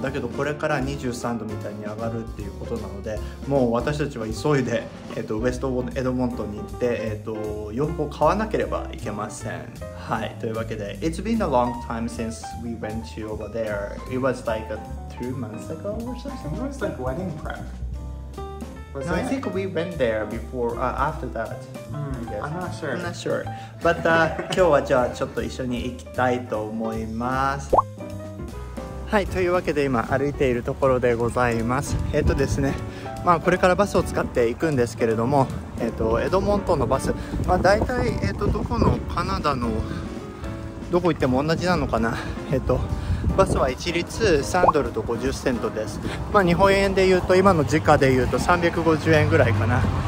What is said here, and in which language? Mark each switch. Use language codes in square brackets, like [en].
[ja] だけどこれから23度みたいに上がるっていうことなので、もう私たちは急いで、ウェストエドモントンに行って、洋服を買わなければいけません。はい、というわけで、 [en] It's been a long time since we went to over there. It was like a 2 months ago or something. It was like wedding prep. Was no, I think we went there before, after that. I'm not sure. [ja] But 今日はじゃあちょっと一緒に行きたいと思います。はい、というわけで今歩いているところでございます。ですね、まあこれからバスを使っていくんですけれども、エドモントンのバス、まあ、大体、どこのカナダのどこ行っても同じなのかな、バスは一律3ドルと50セントです、まあ、日本円で言うと今の時価で言うと350円ぐらいかな。